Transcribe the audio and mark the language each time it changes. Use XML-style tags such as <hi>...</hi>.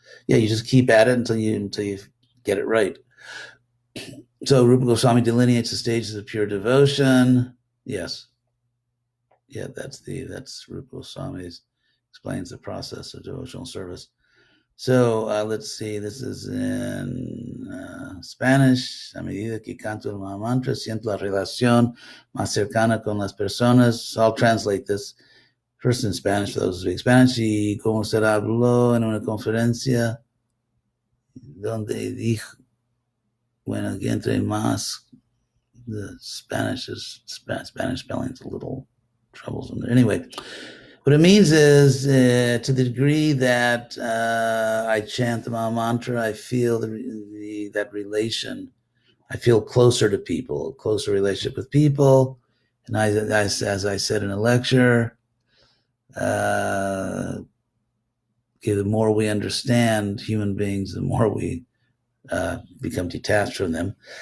<en>Yeah, you just keep at it until you get it right. So Rupa Goswami delineates the stages of pure devotion. Yes. Yeah, that's Rupa Goswami's, explains the process of devotional service. So let's see, this is in Spanish.</en> <es>A medida que canto el mantra, siento la relación más cercana con las personas.</es> <en>So I'll translate this. First in Spanish, for those who speak Spanish.</en> <es>Y como se habló en una conferencia donde dijo, bueno, que entre más,</es> <en>the Spanish is, Spanish spelling is a little troublesome. Anyway, what it means is to the degree that I chant the Maha Mantra, I feel that relation. I feel closer to people, closer relationship with people. And as I said in a lecture, the more we understand human beings, the more we become detached from them.</en>